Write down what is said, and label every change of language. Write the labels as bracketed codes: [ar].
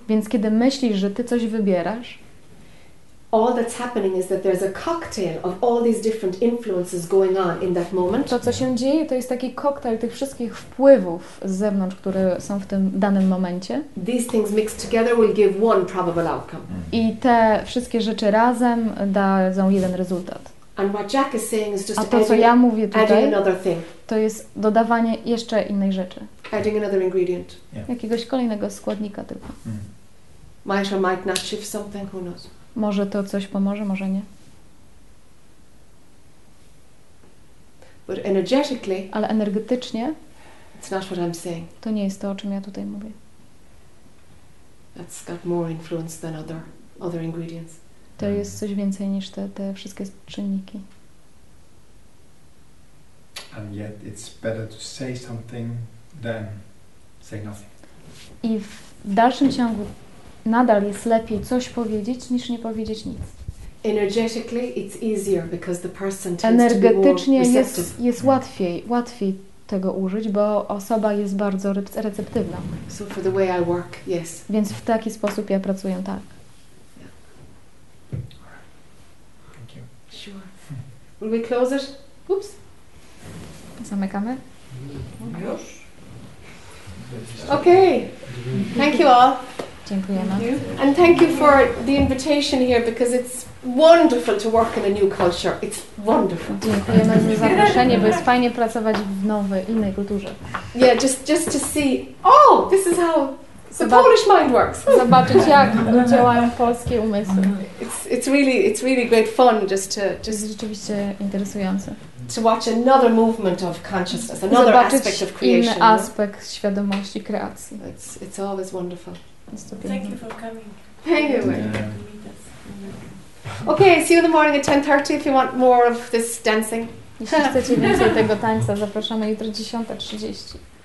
[pl] więc kiedy myślisz, że ty coś wybierasz, [en] all that's happening is that there's a cocktail of all these different influences going on in that moment. [pl] To co się dzieje, to jest taki koktajl tych wszystkich wpływów z zewnątrz, które są w tym danym momencie. [en] These things mixed together will give one probable outcome. [pl] I te wszystkie rzeczy razem dadzą jeden rezultat. [en] And what Jack is saying is just adding another thing. [pl] To jest dodawanie jeszcze innej rzeczy. [en] Adding another ingredient. [pl] Jakiegoś kolejnego składnika tylko. [en] Might or might not shift something, who knows. [pl] Może to coś pomoże, może nie. [en] But energetically, [pl] ale energetycznie, [en] it's not what I'm saying. [pl] To nie jest to, o czym ja tutaj mówię. [en] That's got more influence than other ingredients. [pl] To jest coś więcej niż te wszystkie czynniki. [en] And yet it's better to say something than say nothing. [pl] I w dalszym ciągu nadal jest lepiej coś powiedzieć, niż nie powiedzieć nic. [en] Energetically it's easier because the person tends [pl] energetycznie jest łatwiej tego użyć, bo osoba jest bardzo receptywna. [en] So for the way I work, yes. [pl] Więc w taki sposób ja pracuję, tak. [en] Yeah. Thank you. Sure. Will we close it? Oops. [pl] Zamykamy? Już. [en] Okay. Thank you all. [pl] Dziękujemy. [en] And thank you for the invitation here because it's wonderful to work in a new culture. It's wonderful. [pl] Dziękujemy za zaproszenie, bo jest fajnie pracować w nowej, innej kulturze. [en] Yeah, just to see. Oh, this is how Polish mind works. [pl] Zobaczyć, jak działają polskie umysły. [en] It's really great fun just to [pl] rzeczywiście interesujące. [en] To watch another movement of consciousness, another [pl] zobaczyć [en] aspect of creation. [pl] Inny aspekt świadomości kreacji. [en] It's always wonderful. It's thank you for coming. Thank you. Yeah. Okay, see you in the morning at 10:30 if you want more of this dancing. [pl] Jeśli chcecie więcej tego tańca, zapraszamy jutro 10:30.